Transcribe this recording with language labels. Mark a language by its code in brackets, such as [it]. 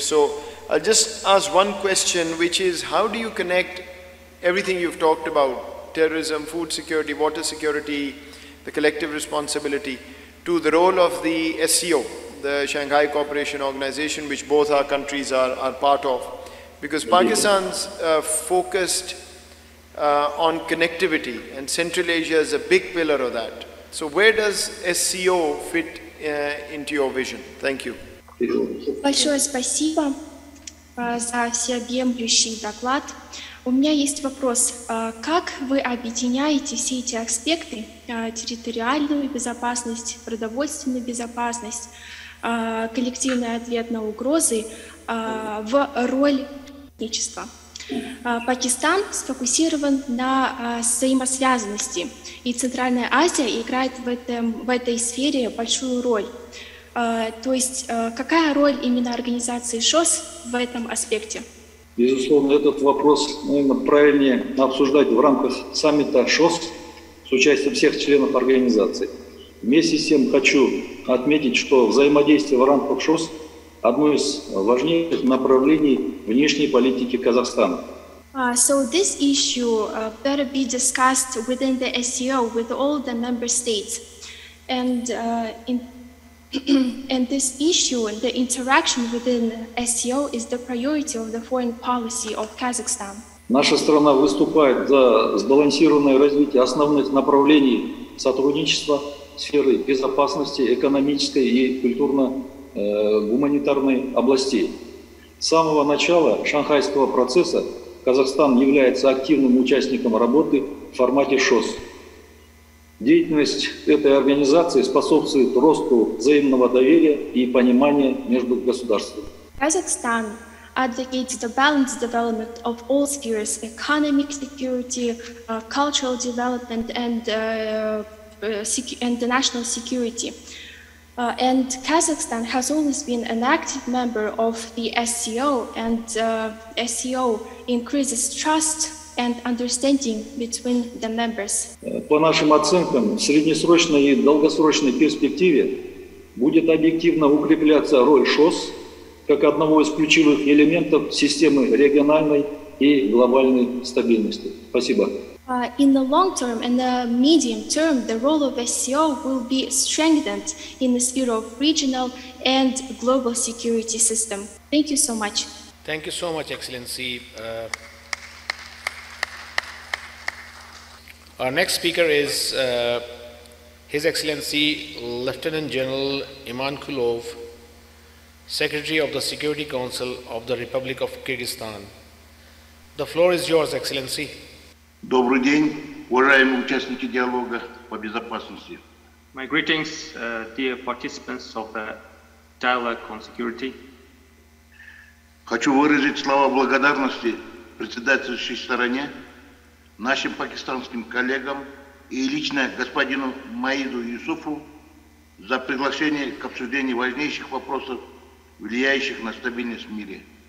[en] So I'll just ask one question, which is how do you connect everything you've talked about, terrorism, food security, water security, the collective responsibility, to the role of the SCO, the Shanghai Cooperation Organization, which both our countries are part of? Because Pakistan's focused on connectivity, and Central Asia is a big pillar of that. So where does SCO fit into your vision? Thank you. [ru] Большое спасибо за всеобъемлющий доклад. У меня есть вопрос. Как вы объединяете все эти аспекты, территориальную безопасность, продовольственную безопасность, коллективный ответ на угрозы, в роль сотрудничества? Пакистан сфокусирован на взаимосвязанности, и Центральная Азия играет в этой сфере большую роль. То есть какая роль именно организации ШОС в этом аспекте? Безусловно, этот вопрос, наверное, правильнее обсуждать в рамках саммита ШОС с участием всех членов организации. Вместе с тем хочу отметить, что взаимодействие в рамках ШОС – одно из важнейших направлений внешней политики Казахстана. [en] So this issue better be discussed within the SCO with all the member states. And this issue and the interaction within SCO is the priority of the foreign policy of Kazakhstan. [ru] Наша страна выступает за сбалансированное развитие основных направлений сотрудничества в сфере безопасности, экономической и культурно-гуманитарной областей. С самого начала шанхайского процесса Казахстан является активным участником работы в формате ШОС. Деятельность этой организации способствует росту взаимного доверия и понимания между государствами. [en] Kazakhstan advocates the balanced development of all spheres: economic security, cultural development, and and the national security. And Kazakhstan has always been an active member of the SCO, and SCO increases trust and understanding between the members. [ru] По нашим оценкам, в среднесрочной и долгосрочной перспективе будет объективно укрепляться роль ШОС как одного из ключевых элементов системы региональной и глобальной стабильности. Спасибо. [en] In the long term and the medium term, the role of SCO will be strengthened in the sphere of regional and global security system. Thank you so much. Thank you so much, Excellency. Our next speaker is His Excellency Lieutenant General Imankulov, Secretary of the Security Council of the Republic of Kyrgyzstan. The floor is yours, Excellency. [ru] Добрый день, уважаемые участники диалога по безопасности. [en] My greetings, dear participants of the dialogue on security. [ru] Хочу выразить слова благодарности председательствующей стороне, нашим пакистанским коллегам и лично господину Маиду Юсуфу за приглашение к обсуждению важнейших вопросов, влияющих на стабильность в мире.